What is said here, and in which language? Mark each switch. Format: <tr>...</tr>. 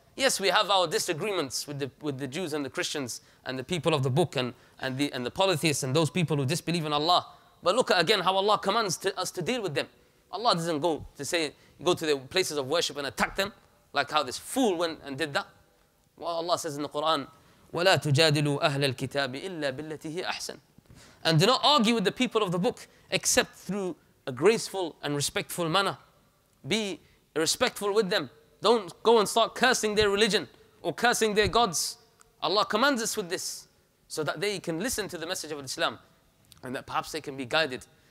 <en>Yes, we have our disagreements with the Jews and the Christians and the people of the book and the polytheists and those people who disbelieve in Allah. But look at again how Allah commands us to deal with them. Allah doesn't go to their places of worship and attack them, like how this fool went and did that. Well, Allah says in the Quran,</en> <ar>وَلَا تُجَادِلُوا أَهْلَ الْكِتَابِ إِلَّا بِالَّتِي هِيَ أَحْسَنُ.</ar> <en>And do not argue with the people of the book except through a graceful and respectful manner. Be respectful with them. Don't go and start cursing their religion or cursing their gods. Allah commands us with this so that they can listen to the message of Islam and that perhaps they can be guided.</en>